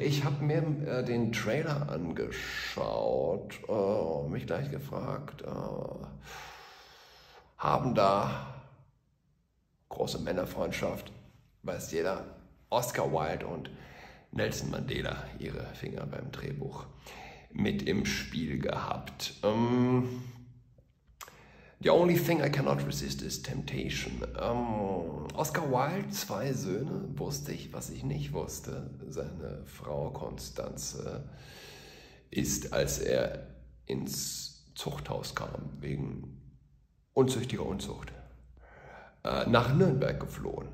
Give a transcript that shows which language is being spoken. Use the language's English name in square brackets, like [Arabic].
[German] Ich habe mir den Trailer angeschaut und mich gleich gefragt, haben da große Männerfreundschaft, weiß jeder, Oscar Wilde und Nelson Mandela ihre Finger beim Drehbuch mit im Spiel gehabt. [English] The only thing I cannot resist is temptation. [German] Oscar Wilde, zwei Söhne, wusste ich, was ich nicht wusste. Seine Frau Constanze ist, als er ins Zuchthaus kam, wegen unzüchtiger Unzucht, nach Nürnberg geflohen.